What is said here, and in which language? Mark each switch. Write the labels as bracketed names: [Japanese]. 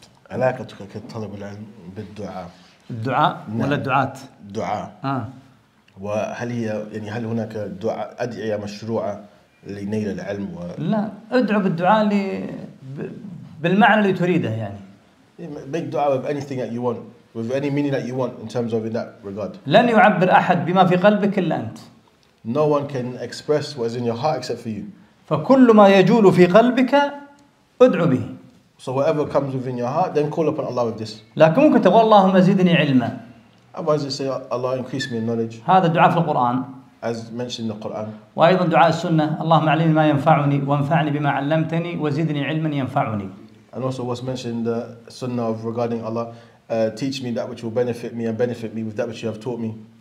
[Arabic] علاقتك كطلب العلم بالدعاء الدعاء نعم. ولا الدعاة الدعاء وهل هي يعني هل هناك دعاء أدعية مشروعة لنيل العلم لا ادعو بالدعاء اللي بالمعنى اللي تريده يعني [English] make dua with anything that you want with any meaning that you want in terms of in that regard [Arabic] لن يعبر أحد بما في قلبك إلا أنت [English] no one can express what is in your heart except for you [Arabic] فكل ما يجول في قلبك ادعو به [English] so whatever comes within your heart then call upon Allah with this [Arabic] لكن ممكن تقول اللهم زدني علما [English] as you say Allah increase me in knowledge [Arabic] هذا الدعاء في القرآن [English] as mentioned in the Quran [Arabic] وأيضا دعاء السنة اللهم علمني ما ينفعني وانفعني بما علمتني وزدني علما ينفعني [English] and also what's mentioned in the Sunnah of regarding Allah teach me that which will benefit me and benefit me with that which you have taught me